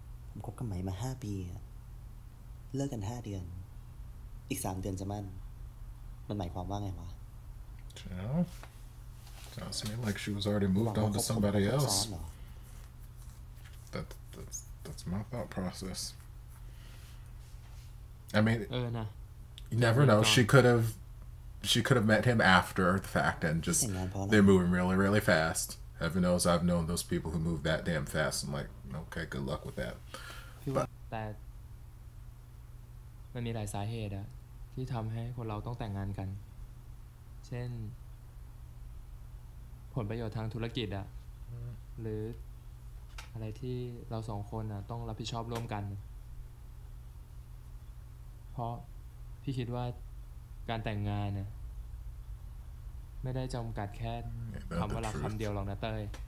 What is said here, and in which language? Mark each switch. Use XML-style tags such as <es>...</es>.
<th>ผมคบกับใหม่มา5ปีเลิกกัน5เดือนอีก3เดือนจะมั่นมันหมายความว่าไงวะ</th> <en>Sounds to me like she was already moved on to somebody else. That's my thought process. I mean, you never know. She could have met him after the fact and just they're moving really, really fast. Heaven knows I've known those people who move that damn fast. I'm like, okay, good luck with that.</en> <th>But มันมีหลายสาเหตุอะที่ทำให้คนเราต้องแต่งงานกันเช่นผลประโยชน์ทางธุรกิจอ่ะหรืออะไรที่เราสองคนอ่ะต้องรับผิดชอบร่วมกันเพราะพี่คิดว่าการแต่งงานเนี่ยไม่ได้จำกัดแค่คำว่ารักคำเดียวหรอกนะเต้ย</th>